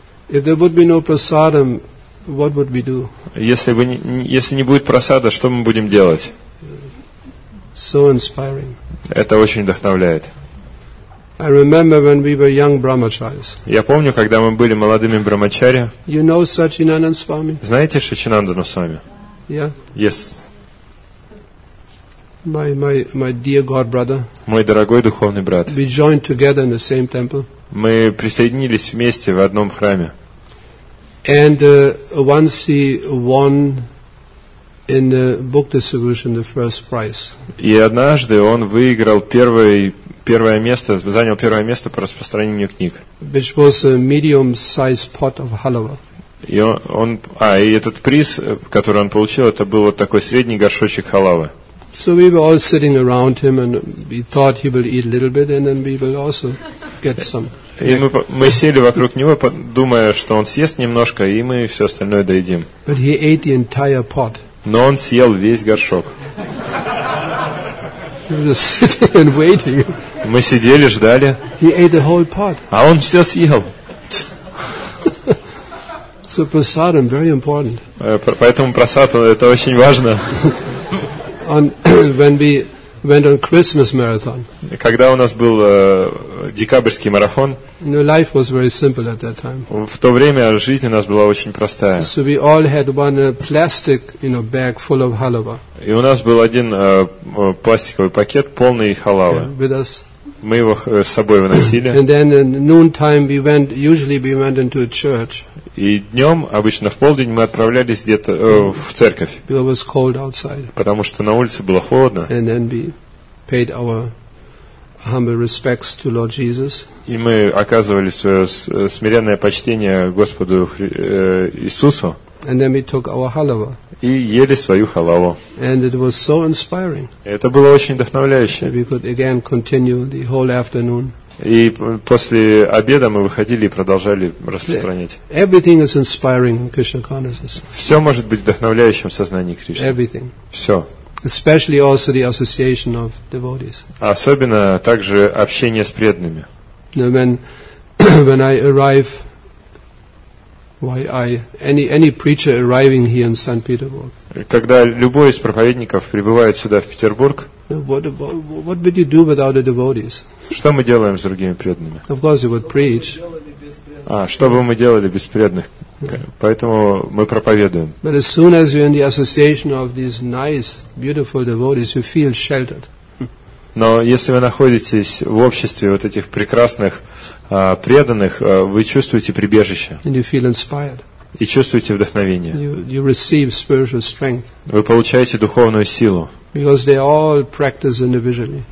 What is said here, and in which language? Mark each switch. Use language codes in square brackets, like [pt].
[en] If there would be no prasadam, what would we do? [ru] Если не будет прасада, что мы будем делать? [en] So inspiring. [ru] Это очень вдохновляет. [en] I remember when we were young brahmacharis. [ru] Я помню, когда мы были молодыми брахмачари. [en] You know Satchinandan Swami? [ru] Знаете Сатчинандану Свами? [en] Yeah. Yes. My dear god brother. [ru] Мой дорогой духовный брат. [en] We joined together in the same temple. [ru] Мы присоединились вместе в одном храме. [en] And once he won in the book distribution the first prize. [ru] И однажды он выиграл первое место, занял первое место по распространению книг. [en] Which was a medium-sized pot of halwa. [ru] И этот приз, который он получил, это был вот такой средний горшочек халавы. [en] So we were all sitting around him and we thought he will eat a little bit and then we will also get some. [ru] И мы сели вокруг него, думая, что он съест немножко, и мы все остальное доедим. [en] But he ate the entire pot. [ru] Но он съел весь горшок. [en] He was just sitting and waiting. [ru] Мы сидели, ждали. [en] He ate the whole pot. [ru] А он все съел. [en] So prasadam very important. [ru] Поэтому прасад это очень важно. [en] On when we went on Christmas marathon. [ru] Когда у нас был декабрьский марафон. [en] No, life was very simple at that time. [ru] В то время жизнь у нас была очень простая. [en] So we all had one plastic, you know, bag full of halwa. [ru] И у нас был один пластиковый пакет полный халавы. [en] Okay, with us. [ru] Мы его с собой выносили. [en] And then at noon time we went. Usually we went into a church. [ru] И днем обычно в полдень мы отправлялись где-то в церковь. [en] Because it was cold outside. [ru] Потому что на улице было холодно. [en] And then we paid our humble respects to Lord Jesus. [ru] И мы оказывали свое смиренное почтение Господу Иисусу. [en] And then we took our halwa. [ru] И ели свою халаву. [en] And it was so inspiring. [ru] Это было очень вдохновляюще. [en] We could again continue the whole afternoon. [ru] И после обеда мы выходили и продолжали распространять. [en] Everything is inspiring in Krishna consciousness. [ru] Все может быть вдохновляющим в сознании Кришны. [en] Everything. [ru] Все. [en] Especially also the association of devotees. [ru] Особенно также общение с преданными. [en] Now when I arrive, any preacher arriving here in St. Petersburg. [ru] Когда любой из проповедников прибывает сюда в Петербург. [en] What would you do without the devotees? [ru] Что мы делаем с другими преданными? [en] Of course, you would preach. [ru] Что бы мы делали без преданных? Поэтому мы проповедуем. [en] But as soon as you're in the association of these nice, beautiful devotees, you feel sheltered. [ru] Но если вы находитесь в обществе вот этих прекрасных преданных, вы чувствуете прибежище. [en] And you feel inspired. [ru] И чувствуете вдохновение. [en] You receive spiritual strength. [ru] Вы получаете духовную силу. [en] Because they all practice individually.